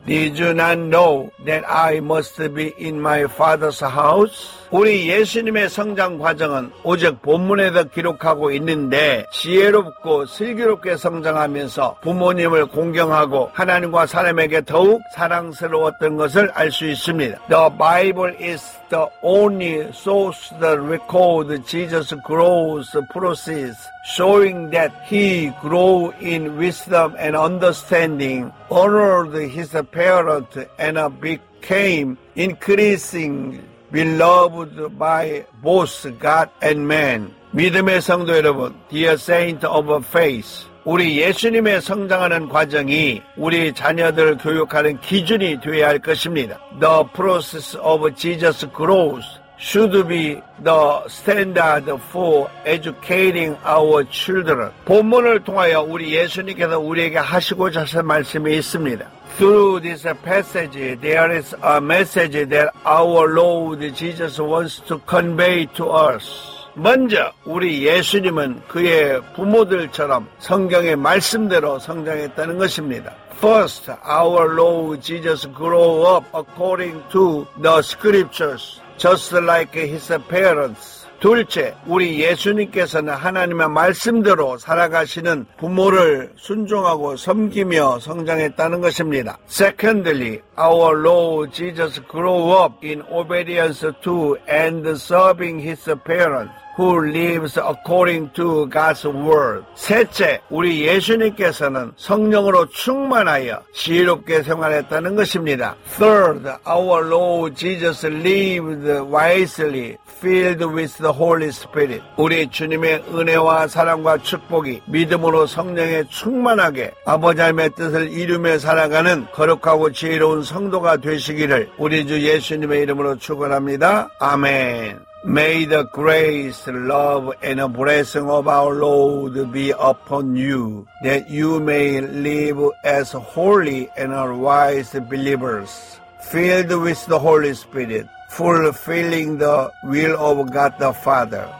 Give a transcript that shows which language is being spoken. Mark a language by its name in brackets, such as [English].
[English] Did you not know that I must be in my Father's house? [Korean] 우리 예수님의 성장 과정은 오직 본문에서 기록하고 있는데 지혜롭고 슬기롭게 성장하면서 부모님을 공경하고 하나님과 사람에게 더욱 사랑스러웠던 것을 알 수 있습니다. [English] The Bible is the only source that records Jesus' growth process, showing that he grew in wisdom and understanding, honored his parents, and became increasingly beloved by both God and man. [Korean] 믿음의 성도 여러분, [English] dear saint of faith, [Korean] 우리 예수님의 성장하는 과정이 우리 자녀들을 교육하는 기준이 되어야 할 것입니다. [English] The process of Jesus' growth should be the standard for educating our children. [Korean] 본문을 통하여 우리 예수님께서 우리에게 하시고자 하신 말씀이 있습니다. [English] Through this passage, there is a message that our Lord Jesus wants to convey to us. [Korean] 먼저 우리 예수님은 그의 부모들처럼 성경의 말씀대로 성장했다는 것입니다. [English] First, our Lord Jesus grew up according to the scriptures, just like his parents. [Korean] 둘째, 우리 예수님께서는 하나님의 말씀대로 살아가시는 부모를 순종하고 섬기며 성장했다는 것입니다. [English] Secondly, our Lord Jesus grew up in obedience to and serving his parents who lives according to God's word. [Korean] 셋째, 우리 예수님께서는 성령으로 충만하여 지혜롭게 생활했다는 것입니다. [English] Third, our Lord Jesus lived wisely, filled with the Holy Spirit. [Korean] 우리 주님의 은혜와 사랑과 축복이 믿음으로 성령에 충만하게 아버지 하나님의 뜻을 이루며 살아가는 거룩하고 지혜로운 성도가 되시기를 우리 주 예수님의 이름으로 축원합니다. 아멘. [English] May the grace, love, and blessing of our Lord be upon you, that you may live as holy and wise believers, filled with the Holy Spirit, fulfilling the will of God the Father.